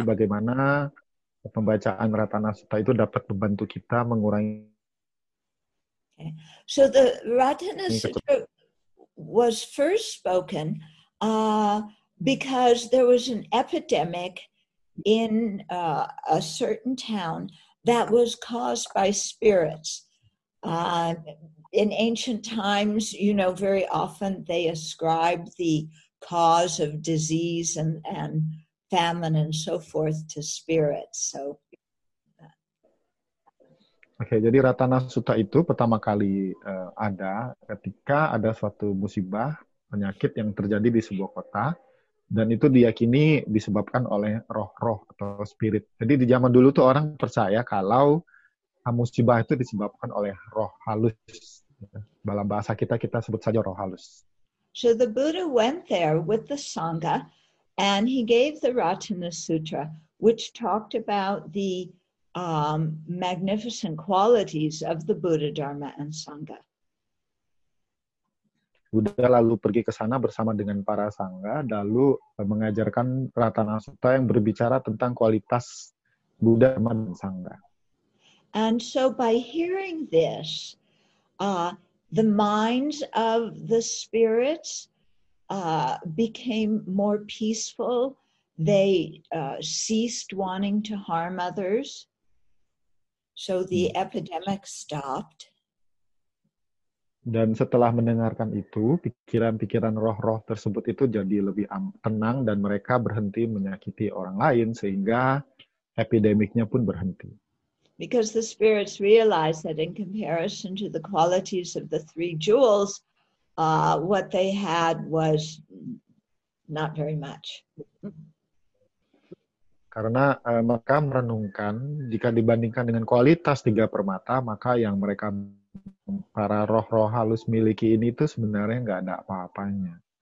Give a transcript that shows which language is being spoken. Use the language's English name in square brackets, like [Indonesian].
[Indonesian] Bagaimana pembacaan Ratana Sutta itu dapat membantu kita mengurangi? [English] Okay. So the Ratana Sutta was first spoken because there was an epidemic in a certain town that was caused by spirits. In ancient times, you know, very often they ascribe the cause of disease and famine and so forth to spirits. So, [Indonesian] okay, jadi Ratana Sutta itu pertama kali ada ketika ada suatu musibah penyakit yang terjadi di sebuah kota. Dan itu diyakini disebabkan oleh roh-roh atau spirit. Jadi di zaman dulu tuh orang percaya kalau musibah itu disebabkan oleh roh halus. Dalam bahasa kita sebut saja roh halus. [English] So the Buddha went there with the Sangha and he gave the Ratana Sutra, which talked about the magnificent qualities of the Buddha, Dharma, and Sangha. [Indonesian] Buddha lalu pergi ke sana bersama dengan para sangga, lalu mengajarkan Ratana Sutta yang berbicara tentang kualitas Buddha dan sangga. [English] And so by hearing this, the minds of the spirits became more peaceful. They ceased wanting to harm others. So the epidemic stopped. [Indonesian] Dan setelah mendengarkan itu, pikiran-pikiran roh-roh tersebut itu jadi lebih tenang dan mereka berhenti menyakiti orang lain sehingga epidemiknya pun berhenti. [English] Because the spirits realized that in comparison to the qualities of the three jewels, what they had was not very much. [Indonesian] Karena mereka merenungkan jika dibandingkan dengan kualitas tiga permata, maka yang mereka para roh-roh halus miliki ini tuh sebenarnya nggak ada apa-apanya.